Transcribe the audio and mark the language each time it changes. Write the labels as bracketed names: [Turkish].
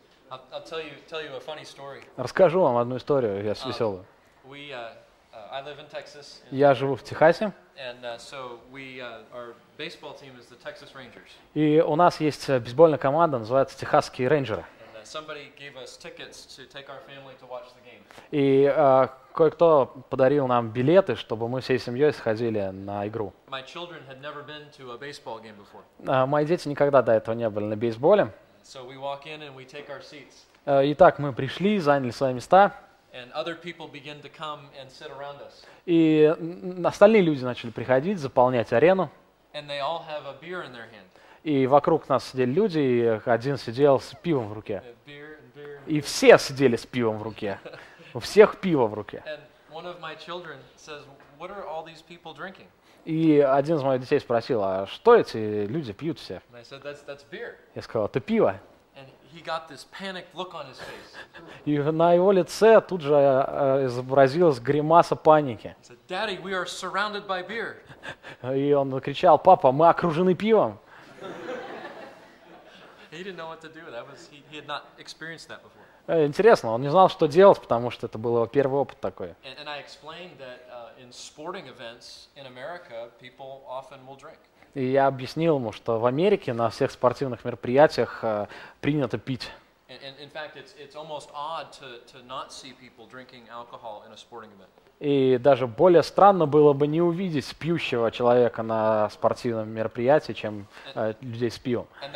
[English] I'll tell you a funny story. [Russian] Расскажу вам одну историю, я веселую. [English] I live in Texas. [Russian] Я живу в Техасе. [English] And so we our baseball team is the Texas Rangers. [Russian] И у нас есть бейсбольная команда, называется Техасские Рейнджеры. [English] Somebody gave us tickets to take our family to watch the game. [Russian] И кое-кто подарил нам билеты, чтобы мы всей семьей сходили на игру. [English] My children had never been to a baseball game before. [Russian] Мои дети никогда до этого не были на бейсболе. [English] So we walk in and we take our seats. [Russian] Итак, мы пришли, заняли свои места. [English] And other people begin to come and sit around us. [Russian] И остальные люди начали приходить, заполнять арену. [English] And they all have a beer in their hand. [Russian] И вокруг нас сидели люди, и один сидел с пивом в руке. [English] Beer. [Russian] И все сидели с пивом в руке. У всех пиво в руке. [English] Says, [Russian] и один из моих детей спросил, а что эти люди пьют все? [English] Said, that's beer. [Russian] Я сказал, это пиво. [English] And he got this panicked look on his face. [Russian] И на его лице тут же изобразилась гримаса паники. [English] Said, Daddy, we are surrounded by beer. [Russian] И он кричал, папа, мы окружены пивом. [English] He didn't know what to do. That was he had not experienced that before. [Russian] Интересно, он не знал, что делать, потому что это был его первый опыт такой. [English] And I explained that in sporting events in America, people often will drink. [Russian] И я объяснил ему, что в Америке на всех спортивных мероприятиях принято пить. [English] And in fact, it's almost odd to not see people drinking alcohol in a sporting event. [Russian] И даже более странно было бы не увидеть пьющего человека на спортивном мероприятии, чем людей с пивом.